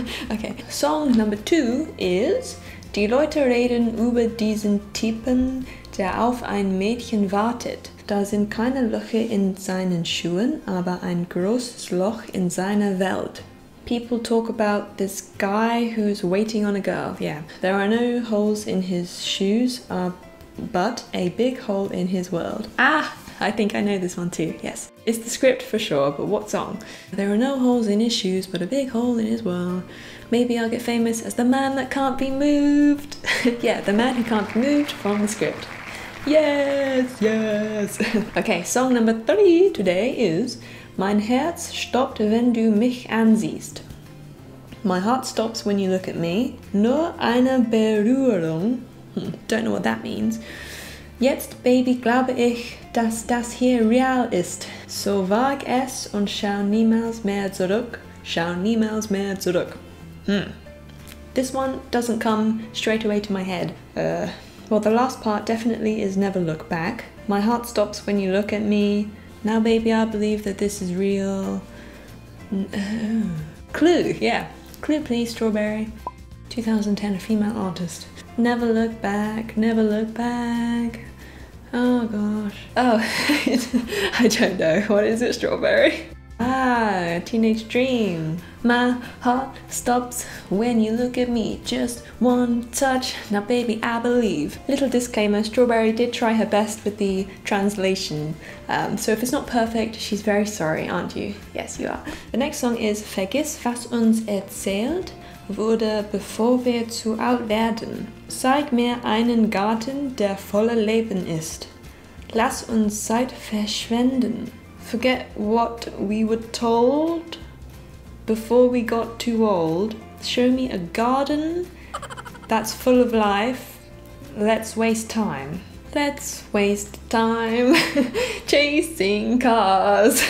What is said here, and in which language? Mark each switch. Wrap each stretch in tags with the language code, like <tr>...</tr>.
<en>Okay, song number two is</en> <de>Die Leute reden über diesen Typen, der auf ein Mädchen wartet. Da sind keine Löcher in seinen Schuhen, aber ein großes Loch in seiner Welt.</de> <en>People talk about this guy who's waiting on a girl. Yeah, there are no holes in his shoes, but a big hole in his world. Ah! I think I know this one too, yes. It's the script for sure, but what song? There are no holes in his shoes, but a big hole in his world. Maybe I'll get famous as the man that can't be moved. Yeah, the man who can't be moved from the script. Yes, yes. Okay, song number three today is</en> <de>Mein Herz stoppt, wenn du mich ansiehst.</de> <en>My heart stops when you look at me.</en> <de>Nur eine Berührung.</de> <en>Don't know what that means.</en> <de>Jetzt, Baby, glaube ich, dass das hier real ist. So wag es und schau niemals mehr zurück. Schau niemals mehr zurück.</de> <en>This one doesn't come straight away to my head. Well, the last part definitely is never look back. My heart stops when you look at me. Now, baby, I believe that this is real. Clue, yeah. Clue, please, Strawberry. 2010, a female artist. Never look back, never look back. Oh gosh. Oh, I don't know. What is it, Strawberry? Ah, Teenage Dream. My heart stops when you look at me. Just one touch. Now baby, I believe. Little disclaimer, Strawberry did try her best with the translation. So if it's not perfect, she's very sorry, aren't you? Yes, you are. The next song is</en> <de>Vergiss, was uns erzählt wurde, bevor wir zu alt werden. Zeig mir einen Garten, der voller Leben ist. Lass uns Zeit verschwenden.</de> <en>Forget what we were told before we got too old. Show me a garden that's full of life. Let's waste time. Let's waste time chasing cars.</en>